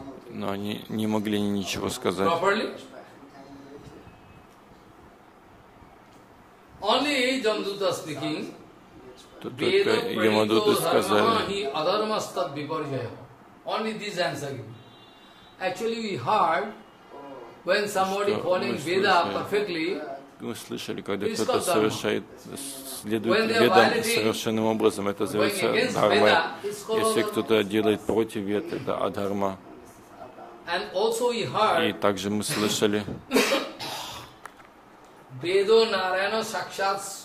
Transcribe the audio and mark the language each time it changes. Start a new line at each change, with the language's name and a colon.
Russian: Но они не могли ничего сказать.
English: Only Jamduta speaking.
Russian: Только Ямадуты сказали.
English: Only this answer given. Actually, we heard when somebody following Veda perfectly.
Russian: Мы слышали, когда кто-то совершает, следует Ведам совершенным образом, это называется дхарма. Если кто-то делает против Веды, это адхарма.
English: And also we heard.
Russian: И также мы слышали.
Sanskrit: Vedo Narayana Sakshat.